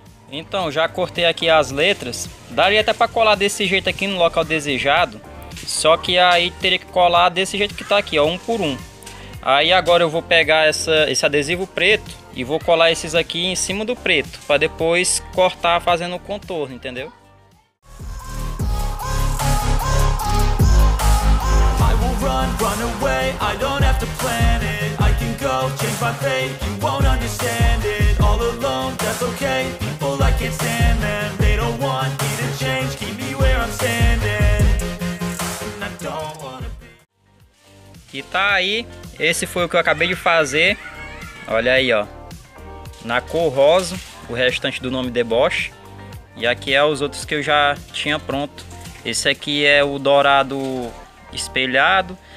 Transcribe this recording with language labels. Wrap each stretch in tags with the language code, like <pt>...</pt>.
<pt>Então, já cortei aqui as letras. Daria até para colar desse jeito aqui no local desejado. Só que aí teria que colar desse jeito que tá aqui, ó, um por um. Aí agora eu vou pegar esse adesivo preto e vou colar esses aqui em cima do preto, para depois cortar fazendo o contorno, entendeu?</pt> <en>I will run away, I don't have to plan it. I can go change my fate, you won't understand it. All alone, that's okay. People I can't stand them, they don't want me to change. Keep me where I'm standing. And I don't wanna be.</en> <pt>E tá aí, esse foi o que eu acabei de fazer. Olha aí, ó. Na cor rosa, o restante do nome Debosch. E aqui é os outros que eu já tinha pronto. Esse aqui é o dourado espelhado.</pt>